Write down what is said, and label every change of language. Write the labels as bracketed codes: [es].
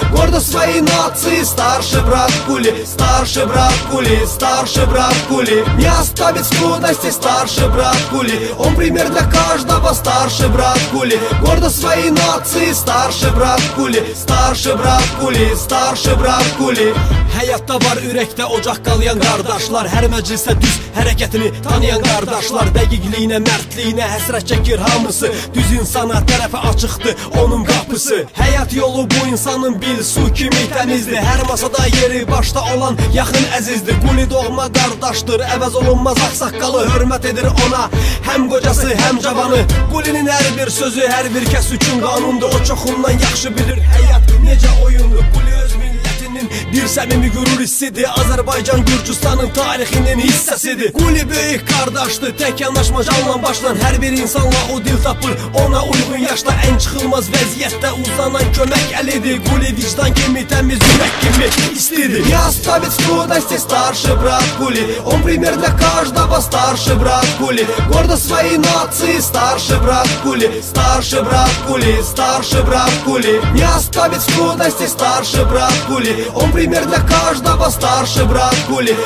[ru] Гордость своей нации, старший брат Гули, старший брат Гули, старший брат Гули. Не оставит в трудности старший брат Гули, он пример для каждого, старший брат Гули. Гордость своей нации, старший брат Гули, старший брат Гули, старший брат Гули. [az] Hayatta var ürəkdə ocaq qalayan qardaşlar, hər məclisə düz hərəkətini tanıyan qardaşlar. Dəqiqliyinə, mərdliyinə həsrət çəkir hamısı, düz insana tərəfə açıqdır onun qapısı. Həyat yolu bu insanın bil su kimi təmizdir, hər masada yeri başda olan yaxın əzizdir. Quli doğma qardaşdır, əvəz olunmaz axsaqqalı, hörmət edir ona həm qocası, həm cavanı. Qulinin hər bir sözü hər bir kəs üçün qanundur, o çoxundan yaxşı bilir həyat necə oyundur. Quli öz bir səmimi gurur hissidir, Azərbaycan Gürcüstanın tarixinin hissəsidir. Quli böyük qardaşdır, tək yanaşma canla başlan, hər bir insanla o dil tapır, ona uyğun yaşda ən çıxılmaz vəziyyətdə uzanan kömək əlidir. Quli vicdan kimi təmiz, ürək kimi istidir. [ru] Не оставит трудности старший брат Гули, он пример для каждого, старший брат Гули. Гордость своей нации, старший брат Гули, старший брат Гули, старший брат Гули. Не оставит трудности старший брат Гули, он пример для каждого, старший брат Гули.